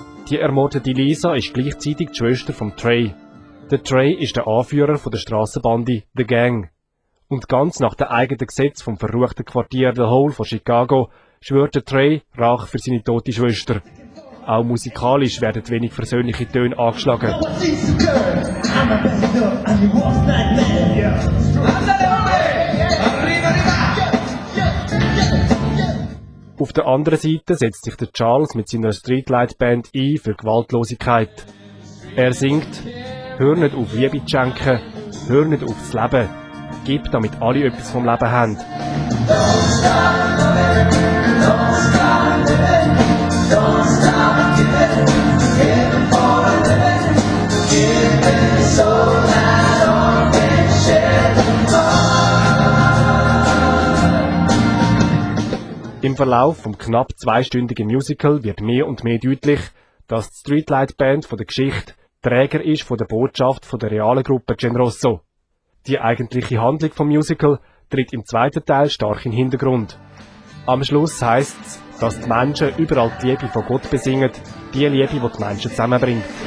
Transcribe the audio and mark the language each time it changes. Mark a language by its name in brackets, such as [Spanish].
[German] Die ermordete Lisa ist gleichzeitig die Schwester von Trey. Der Trey ist der Anführer von der Strassenbande The Gang. Und ganz nach dem eigenen Gesetz vom verruchten Quartier The Hole von Chicago schwört der Trey Rache für seine tote Schwester. Auch musikalisch werden wenig versöhnliche Töne angeschlagen. [English] I'm a vendor and you walk that man. [German] Auf der anderen Seite setzt sich der Charles mit seiner Streetlight-Band ein für Gewaltlosigkeit. Er singt: Hör nicht auf Liebe zu schenken, hör nicht auf das Leben. Gib, damit alle etwas vom Leben haben. [English] Don't stop loving, don't stop living, don't stop giving, give for a living, give it so that all can share the fun. [German] Im Verlauf vom knapp zweistündigen Musical wird mehr und mehr deutlich, dass die Streetlight Band von der Geschichte Träger ist von der Botschaft von der realen Gruppe Genrosso. Die eigentliche Handlung vom Musical tritt im zweiten Teil stark in den Hintergrund. Am Schluss heisst es, dass die Menschen überall die Liebe von Gott besingen, die Liebe, die die Menschen zusammenbringt.